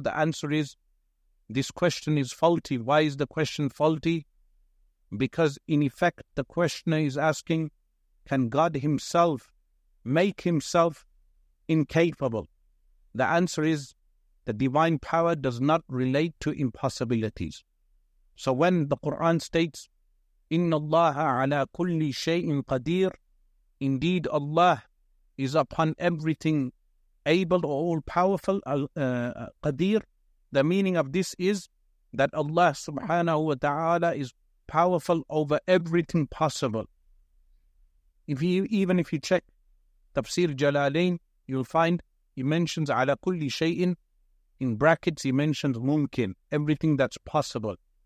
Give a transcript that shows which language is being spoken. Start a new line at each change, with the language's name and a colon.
English: The answer is this question is faulty. Why is the question faulty? Because in effect, the questioner is asking, can God Himself make Himself incapable? The answer is, the divine power does not relate to impossibilities. So when the Quran states,
Arabic: إِنَّ اللَّهَ عَلَىٰ كُلِّ شَيْءٍ قَدِيرٍ.
English: Indeed, Allah is upon everything able or all-powerful, Qadir. The meaning of this is that Allah subhanahu wa ta'ala is powerful over everything possible. Even if you check Tafsir Jalalain, you'll find he mentions ala kulli shay'in, in brackets he mentions mumkin, everything that's possible.